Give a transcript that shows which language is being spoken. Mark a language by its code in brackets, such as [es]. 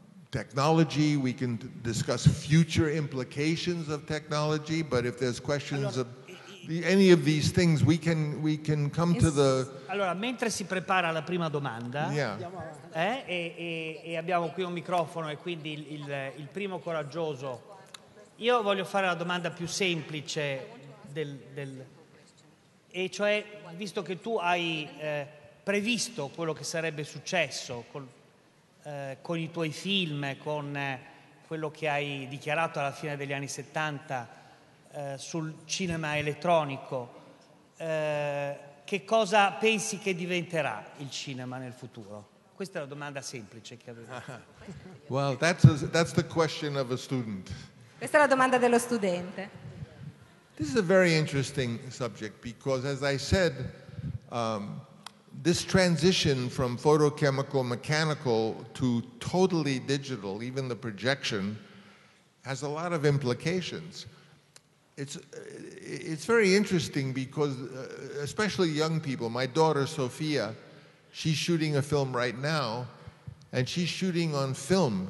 [en] technology, we can discuss future implications of technology, but if there's questions of any of these things, we can come to the... [it] Allora, mentre si prepara la prima domanda, e abbiamo qui un microfono e quindi il primo coraggioso, io voglio fare la domanda più semplice del e cioè, visto che tu hai previsto quello che sarebbe successo con i tuoi film, con quello che hai dichiarato alla fine degli anni 70 sul cinema elettronico, che cosa pensi che diventerà il cinema nel futuro? Questa è la domanda semplice che avevo. [en] Well, that's the question of a student. [it] Questa è la domanda dello studente. [en] This is a very interesting subject because, as I said, this transition from photochemical mechanical to totally digital, even the projection, has a lot of implications. It's very interesting because, especially young people, my daughter Sophia, she's shooting a film right now, and she's shooting on film.